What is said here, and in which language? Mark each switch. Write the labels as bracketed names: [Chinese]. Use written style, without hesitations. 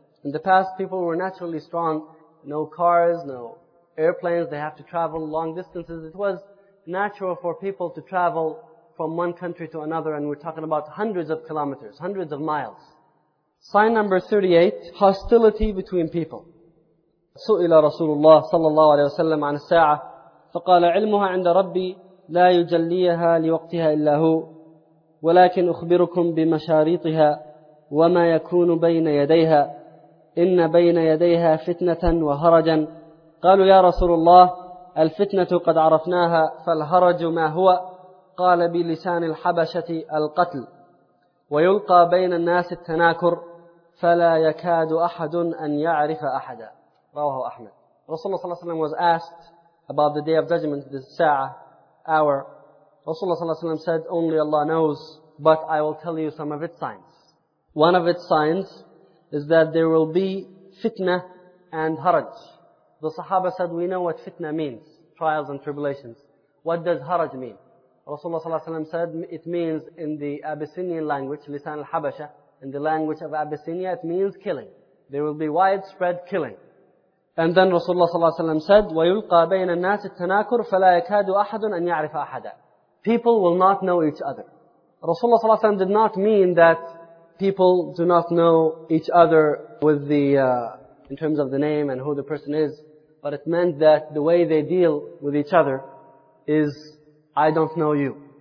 [English] In the past, people were naturally strong. No cars, no airplanes. They have to travel long distances. It was natural for people to travel from one country to another, and we're talking about hundreds of kilometers, hundreds of miles. Sign number 38, hostility between people. [Arabic] سئل رسول الله صلى الله عليه وسلم عن الساعة فقال علمها عند ربي لا يجليها لوقتها إلا هو ولكن أخبركم بمشاريطها وما يكون بين يديها إن بين يديها فتنة وهرجا. قالوا يا رسول الله الفتنة قد عرفناها فالهرج ما هو؟ قال بلسان الحبشة القتل ويلقى بين الناس التناكر فلا يكاد أحد أن يعرف أحدا. رواه أحمد. [English] رسول الله صلى الله عليه وسلم was asked about the day of judgment, the sa'ah, hour. رسول الله صلى الله عليه وسلم said, only Allah knows, but I will tell you some of its signs. One of its signs is that there will be fitna and haraj. The Sahaba said, we know what fitna means, trials and tribulations. What does haraj mean? Rasulullah sallallahu alaihi wasallam said, it means in the Abyssinian language, lisan al-habasha, in the language of Abyssinia, it means killing. There will be widespread killing. And then Rasulullah sallallahu alaihi wasallam said, [Arabic] وَيُلْقَى بَيْنَ النَّاسِ التَّنَاكُرُ فَلَا يَكَادُ أَحَدٌ أَنْ يَعْرِفَ أَحَدًا. [English] People will not know each other. Rasulullah sallallahu alaihi wasallam did not mean that people do not know each other with the in terms of the name and who the person is, but it meant that the way they deal with each other is, I don't know you.